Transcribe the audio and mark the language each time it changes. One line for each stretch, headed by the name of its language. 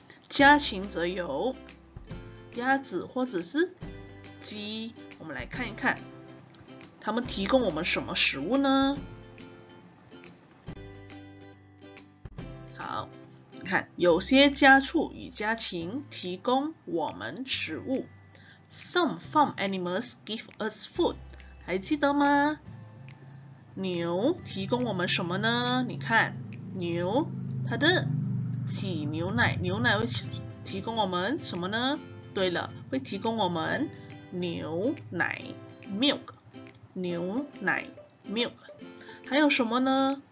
Chinese: 家禽则有鸭子或者是鸡。我们来看一看他们提供我们什么食物呢？好，你看，有些家畜与家禽提供我们食物。
English: Some farm animals give us food.
Chinese: 还记得吗？牛提供我们什么呢？你看，牛它的挤牛奶，牛奶会提供我们什么呢？对了，会提供我们牛奶 milk， 牛奶 milk。还有什么呢？